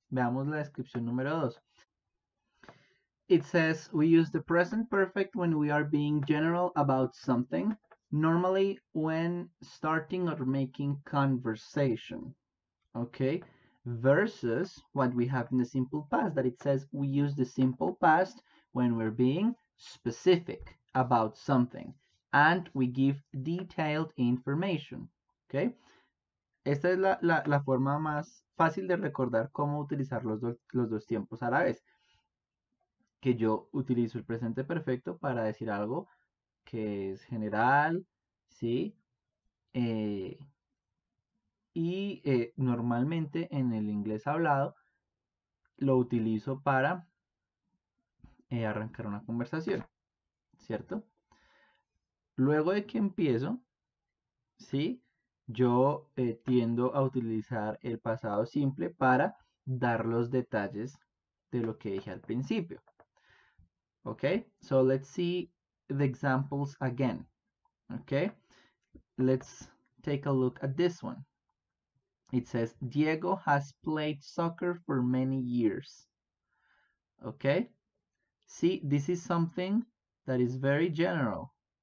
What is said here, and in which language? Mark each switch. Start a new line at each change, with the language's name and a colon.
Spanish: Veamos la descripción número dos.
English: It says we use the present perfect when we are being general about something, normally when starting or making conversation. Okay? Versus what we have in the simple past, that it says we use the simple past when we're being specific about something and we give detailed information. Okay?
Spanish: Esta es la forma más fácil de recordar cómo utilizar los dos tiempos a la vez. Que yo utilizo el presente perfecto para decir algo que es general, ¿sí? Y normalmente en el inglés hablado lo utilizo para arrancar una conversación, ¿cierto? Luego de que empiezo, ¿sí? Yo tiendo a utilizar el pasado simple para dar los detalles de lo que dije al principio.
English: Okay, so let's see the examples again. Okay, let's take a look at this one. It says, Diego has played soccer for many years. Okay, see, this is something that is very general.